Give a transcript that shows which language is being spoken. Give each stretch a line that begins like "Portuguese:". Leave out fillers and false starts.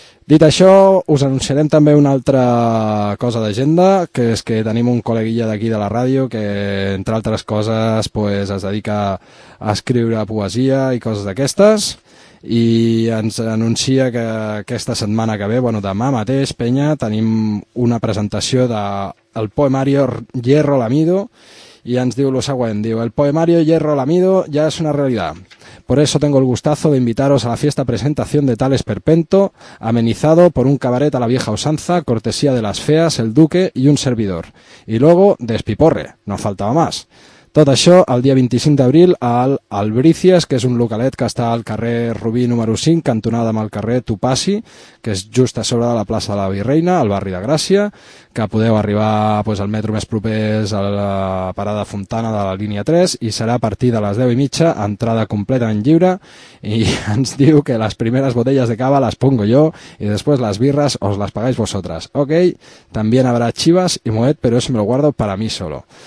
Catalan: Dit això, us anunciarem també una altra cosa d'agenda, que és que tenim un col·leguilla d'aquí de la ràdio que, entre altres coses, pues, es dedica a escriure poesia i coses d'aquestes, i ens anuncia que aquesta setmana que ve, bueno, demà mateix, penya, tenim una presentació del poemari Hierro Lamido, i ens diu lo següent, diu,
Spanish: el poemario Hierro Lamido ya es una realidad. Por eso tengo el gustazo de invitaros a la fiesta presentación de Tal Esperpento, amenizado por un cabaret a la vieja usanza, cortesía de las feas, el duque y un servidor. Y luego, despiporre, no faltaba más.
Catalan: Tot això el dia 25 d'abril al Albricias, que és un localet que està al carrer Rubí número 5, cantonada amb el carrer Tupasi, que és just a sobre de la plaça de la Virreina, al barri de Gràcia, que podeu arribar pues, al metro més proper a la parada Fontana de la línia 3, i serà a partir de les 10:30, entrada completament lliure, i ens diu que les primeres botelles de cava les pongo jo i
Spanish: després les birres os les pagáis vosotras.
Catalan: Ok, també hi haurà xivas i moet, però
Spanish: eso me lo guardo para mí solo.